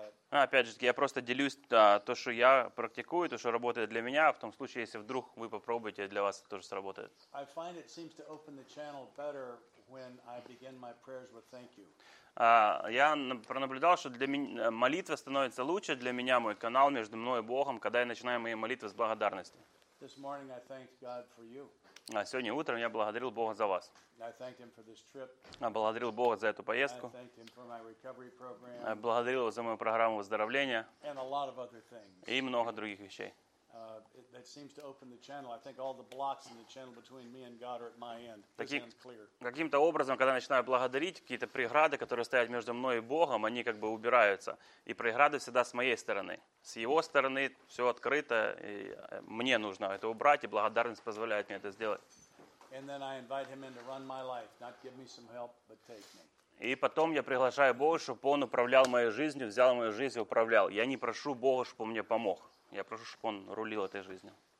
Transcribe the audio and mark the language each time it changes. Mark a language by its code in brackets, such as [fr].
[ru] Опять же, я просто делюсь то, что я практикую, то, что работает для меня, в том случае, если вдруг вы попробуете, для вас это тоже сработает. [en] I find it seems to open the channel better when I begin my prayers with thank you. [ru] Я пронаблюдал, что для меня молитва становится лучше для меня, мой канал между мной и Богом, когда я начинаю мои молитвы с благодарности. [en] This morning I thanked God for you. [ru] Сегодня утром я благодарил Бога за вас. [en] I thanked him for this trip. [ru] Благодарил Бога за эту поездку. [en] I thanked him for my recovery program. [ru] Благодарил его за мою программу выздоровления. [en] And a lot of other things. [ru] И много других вещей. [en] That seems to open the channel. I think all the blocks in the channel between me and God are at my end. This clear. [ru] Каким-то образом, когда начинаю благодарить, какие-то преграды, которые стоят между мной и Богом, они как бы убираются. И преграды всегда с моей стороны. С его стороны все открыто, и мне нужно это убрать, и благодарность позволяет мне это сделать. [en] And then I invite him in to run my life, not give me some help, but take me. [ru] И потом я приглашаю Бога, чтобы он управлял моей жизнью, взял мою жизнь и управлял. Я не прошу Бога, чтобы он мне помог. Я прошу, чтобы он рулил этой жизнью.